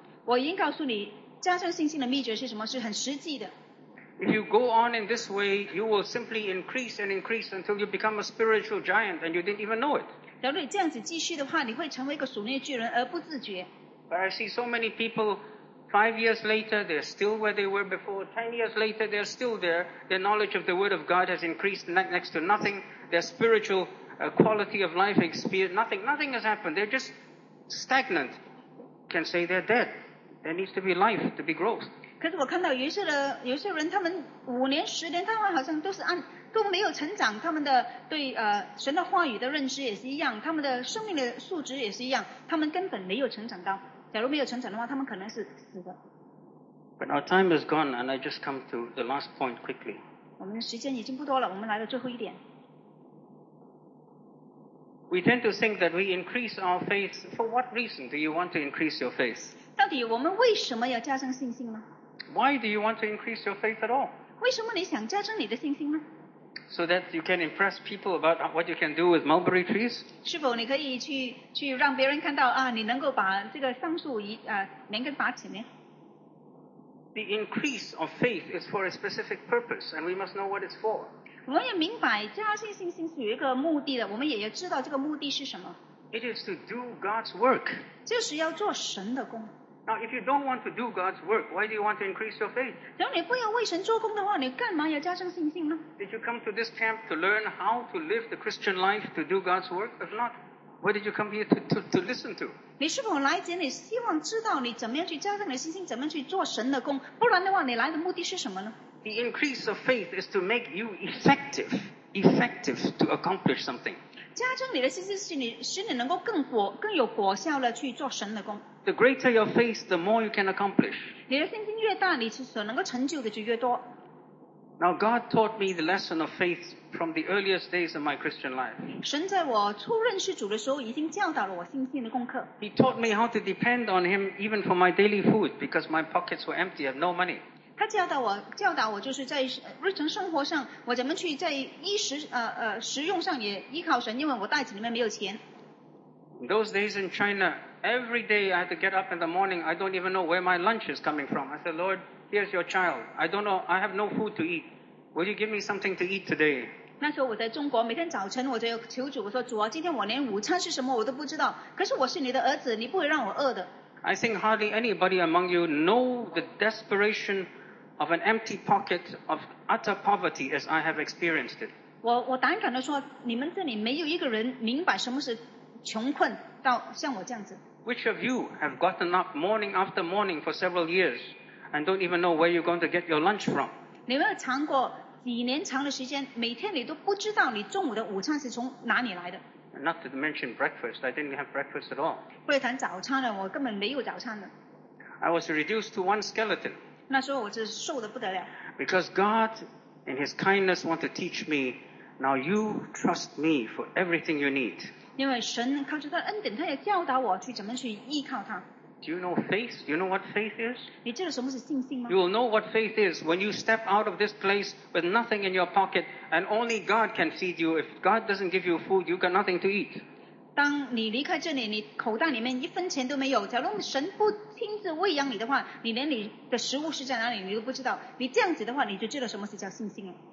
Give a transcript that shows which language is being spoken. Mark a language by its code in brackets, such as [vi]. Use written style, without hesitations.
[zh] 我已经告诉你，加深信心的秘诀是什么？是很实际的。 [en] If you go on in this way, you will simply increase and increase until you become a spiritual giant and you didn't even know it. [zh] 假如你这样子继续的话，你会成为一个属灵巨人而不自觉。 [en] But I see so many people, 5 years later, they're still where they were before. 10 years later, they're still there. Their knowledge of the word of God has increased next to nothing. Their spiritual quality of life, experience, nothing has happened. They're just stagnant. You can say they're dead. There needs to be life, to be growth. [zh] 可是我看到有些人他们5年10年他们好像都是都没有成长，他们的对神的话语的认知也是一样，他们的生命的素质也是一样，他们根本没有成长到，假如没有成长的话，他们可能是死的。 [en] But our time is gone and I just come to the last point quickly. [zh] 我们的时间已经不多了，我们来到最后一点。 [en] We tend to think that we increase our faith. For what reason do you want to increase your faith? [zh] 到底我们为什么要加深信心呢？ [en] Why do you want to increase your faith at all? [zh] 为什么你想加深你的信心呢？ [en] So that you can impress people about what you can do with mulberry trees? [zh] 是否你可以 去让别人看到你能够把这个桑树连根拔起呢？ [en] The increase of faith is for a specific purpose, and we must know what it's for. [zh] 我们也明白加深信心是有一个目的的，我们也要知道这个目的是什么。 [en] It is to do God's work. [zh] 就是要做神的工。 [en] Now, if you don't want to do God's work, why do you want to increase your faith? [zh] 假如你不要为神做工的话，你干嘛要加深信心呢？ [en] Did you come to this camp to learn how to live the Christian life to do God's work? If not, what did you come here to listen to? [zh] 你是否来这里希望知道你怎么样去加深你的信心，怎么样去做神的工？不然的话，你来的目的是什么呢？ [en] The increase of faith is to make you effective to accomplish something. [zh] 加增你的信心使你能够更有果效的去做神的工。 [en] The greater your faith, the more you can accomplish. [zh] 你的信心越大，你所能够成就的就越多。 [en] Now God taught me the lesson of faith from the earliest days of my Christian life. [zh] 神在我初认识主的时候已经教导了我信心的功课。 [en] He taught me how to depend on Him even for my daily food because my pockets were empty, I had no money. [zh] 他教导我就是在日常生活上我怎么去在食用上也依靠神，因为我袋子里面没有钱。 [en] In those days in China, every day I had to get up in the morning, I don't even know where my lunch is coming from. I said, Lord, here's your child. I don't know, I have no food to eat. Will you give me something to eat today? [zh] 那时候我在中国，每天早晨我就求主，我说主啊，今天我连午餐是什么我都不知道，可是我是你的儿子，你不会让我饿的。 [en] I think hardly anybody among you know the desperation of an empty pocket of utter poverty as I have experienced it. [zh] 我胆敢地说，你们这里没有一个人明白什么是穷困到像我这样子。 [en] Which of you have gotten up morning after morning for several years and don't even know where you're going to get your lunch from? [zh] 你们有尝过几年长的时间，每天你都不知道你中午的午餐是从哪里来的。 [en] Not to mention breakfast. I didn't have breakfast at all. [zh] 不要谈早餐了，我根本没有早餐的。 [en] I was reduced to one skeleton. [zh] 那时候我是瘦得不得了。 [en] Because God, in His kindness, wants to teach me, now you trust me for everything you need. [zh] 因为神靠着他的恩典，他也教导我去怎么去依靠他。 [en] Do you know faith? Do you know what faith is? [zh] 你知道什么是信心吗？ [en] You will know what faith is when you step out of this place with nothing in your pocket and only God can feed you. If God doesn't give you food, you've got nothing to eat. [zh] 当你离开这里，你口袋里面一分钱都没有，假如神不亲自喂养你的话，你连你的食物是在哪里你都不知道，你这样子的话，你就知道什么是叫信心了。